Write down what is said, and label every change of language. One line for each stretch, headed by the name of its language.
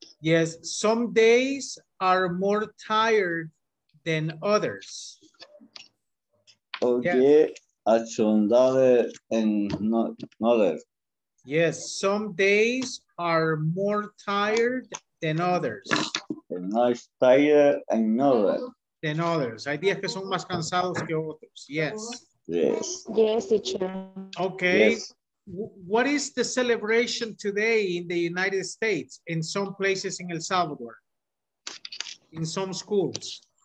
English: Yes, some days are more tired than others. Okay, others. Yes, some days are more tired than others. Than others.
Spanish: Hay días que son más cansados que otros.
English: Yes. Yes. Yes, teacher. Okay. Yes. What is the celebration today in the United States, in some places in El Salvador, in some schools?